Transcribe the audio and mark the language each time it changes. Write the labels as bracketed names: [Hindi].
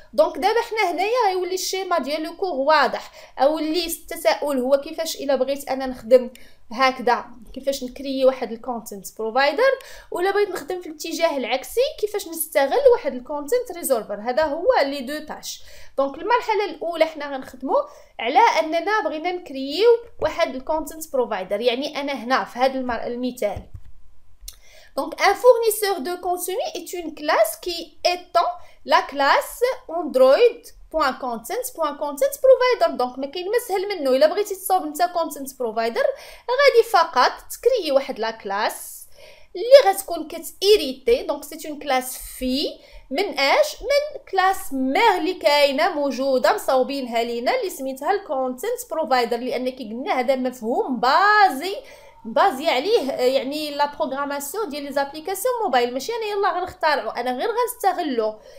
[Arabic] دونك دابا حنا هنايا غيولي الشيما ديال لو كور واضح، او اللي التساؤل هو كيفاش الا بغيت انا نخدم هكذا كيفاش نكري واحد الكونتنت بروفايدر، ولا بغيت نخدم في الاتجاه العكسي كيفاش نستغل واحد الكونتنت ريزولفر. هذا هو لي دو طاش. دونك المرحله الاولى حنا غنخدمو على اننا بغينا نكريو واحد الكونتنت بروفايدر، يعني انا هنا في هذا المثال. [French] Donc un fournisseur de contenu est une classe qui étend la classe Android.Contents.ContentsProvider. [Arabic] Donc ما كاين ما سهل منه، الا بغيتي تصاوب انت كونتنت بروفايدر غادي فقط تكري واحد لا كلاس اللي غتكون كتيريتي. دونك سي اون كلاس في من اش، من كلاس مير اللي كاينه موجوده مصاوبينها لينا اللي سميتها الكونتنت بروفايدر، لان كي قلنا هذا مفهوم بازي بازي عليه يعني لا بروغراماسيون ديال لي زابليكاسيون موبايل، ماشي انا يلا غنختارعو، انا غير غنستغلو.